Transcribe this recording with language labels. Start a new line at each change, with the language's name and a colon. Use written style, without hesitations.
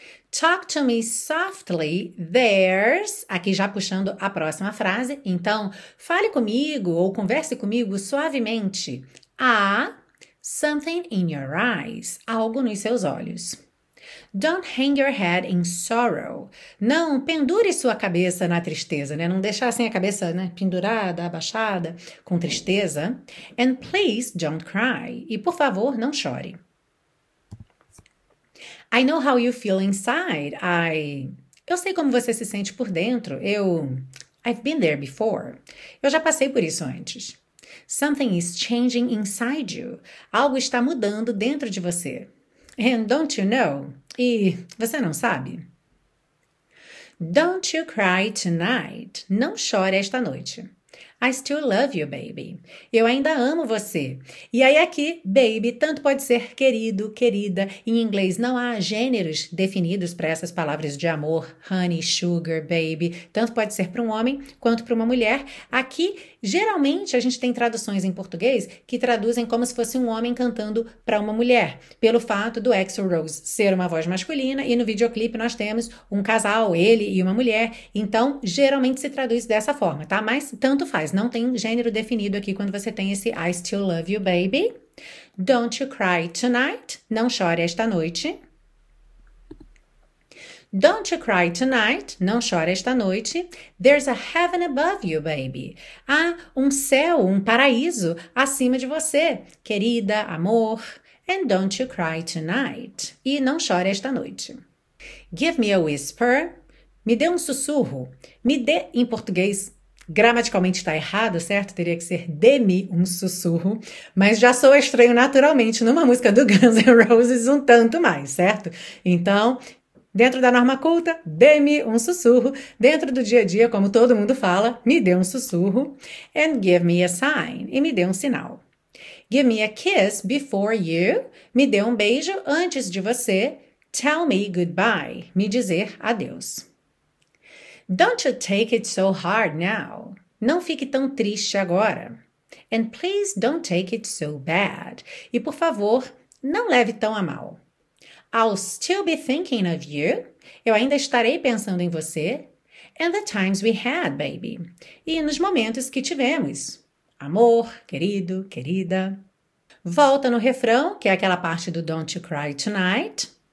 English: Talk to me softly, there's.
Portuguese: Aqui já puxando a próxima frase. Então, fale comigo ou converse comigo suavemente. Há
English: something in your eyes.
Portuguese: Algo nos seus olhos.
English: Don't hang your head in sorrow.
Portuguese: Não pendure sua cabeça na tristeza, né? Não deixar assim a cabeça, né, pendurada, abaixada, com tristeza.
English: And please don't cry.
Portuguese: E por favor, não chore.
English: I know how you feel inside.
Portuguese: Eu sei como você se sente por dentro.
English: I've been there before.
Portuguese: Eu já passei por isso antes.
English: Something is changing inside you.
Portuguese: Algo está mudando dentro de você.
English: And don't you know?
Portuguese: E você não sabe?
English: Don't you cry tonight.
Portuguese: Não chore esta noite.
English: I still love you, baby.
Portuguese: Eu ainda amo você. E aí aqui, baby, tanto pode ser querido, querida. Em inglês não há gêneros definidos para essas palavras de amor, honey, sugar, baby. Tanto pode ser para um homem quanto para uma mulher. Aqui, geralmente, a gente tem traduções em português que traduzem como se fosse um homem cantando para uma mulher, pelo fato do Axl Rose ser uma voz masculina e no videoclipe nós temos um casal, ele e uma mulher. Então, geralmente se traduz dessa forma, tá? Mas tanto faz. Não tem gênero definido aqui quando você tem esse
English: I still love you, baby. Don't you cry tonight.
Portuguese: Não chore esta noite.
English: Don't you cry tonight.
Portuguese: Não chore esta noite.
English: There's a heaven above you, baby.
Portuguese: Há um céu, um paraíso acima de você, querida, amor.
English: And don't you cry tonight.
Portuguese: E não chore esta noite.
English: Give me a whisper.
Portuguese: Me dê um sussurro. Me dê, em português, gramaticalmente está errado, certo? Teria que ser dê-me um sussurro, mas já soa estranho naturalmente numa música do Guns N' Roses um tanto mais, certo? Então, dentro da norma culta, dê-me um sussurro. Dentro do dia a dia, como todo mundo fala, me dê um sussurro.
English: And give me a sign.
Portuguese: E me dê um sinal.
English: Give me a kiss before you.
Portuguese: Me dê um beijo antes de você.
English: Tell me goodbye.
Portuguese: Me dizer adeus.
English: Don't you take it so hard now.
Portuguese: Não fique tão triste agora.
English: And please don't take it so bad.
Portuguese: E por favor, não leve tão a mal.
English: I'll still be thinking of you.
Portuguese: Eu ainda estarei pensando em você.
English: And the times we had, baby.
Portuguese: E nos momentos que tivemos. Amor, querido, querida. Volta no refrão, que é aquela parte do Don't You Cry Tonight.